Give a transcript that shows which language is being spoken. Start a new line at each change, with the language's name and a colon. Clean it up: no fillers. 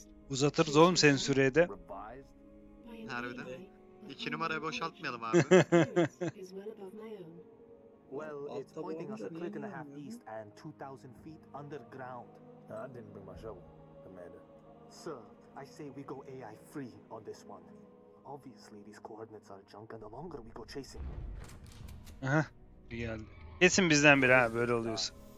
Turkish: Uzatırız oğlum senin süreyi de. Harbiden. İki numarayı boşaltmayalım abi.
English: Well, it's pointing us a click and a half east and 2,000 feet underground. No, I didn't bring my shovel, Commander. Sir, I say we go AI free on this one. Obviously, these coordinates are junk and the longer we go chasing.
Turkish: Aha, bir geldi. Kesin bizden biri ha, böyle oluyorsun.